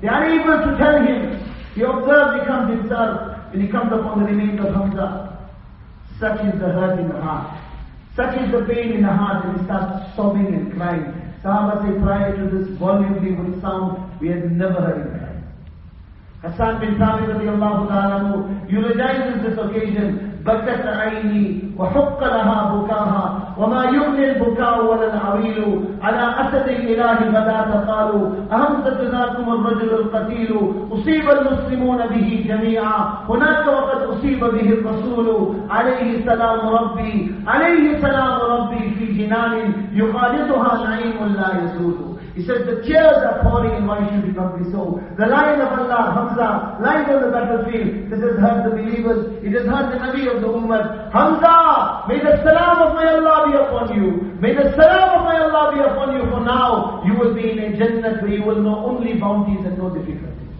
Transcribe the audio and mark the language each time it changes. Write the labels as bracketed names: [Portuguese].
[English] They are able to tell him. He observes, he comes himself, and he comes upon the remains of Hamza. Such is the hurt in the heart. Such is the pain in the heart, and he starts sobbing and crying. Sahaba say, prior to this volume of sound, we had never heard him cry. Hassan bin Thabit radiallahu ta'ala who eulogizes this occasion. [Arabic] بكت عيني وحق لها بكاها وما يغني البكاء ولا العويل على أسد الإله غداة قالوا أهمزة ذاتكم الرجل القتيل أصيب المسلمون به جميعا هناك وقد أصيب به الرسول عليه سلام ربي عليه سلام ربي في جنان يخالطها نعيم لا يزول. [English] He said, the tears are pouring and why should it not be so? The lion of Allah, Hamza, lies on the battlefield. This has hurt the believers. It has hurt the Nabi of the Ummah. Hamza, may the salam of my Allah be upon you. May the salam of my Allah be upon you. For now, you will be in a jannah where you will know only bounties and no difficulties.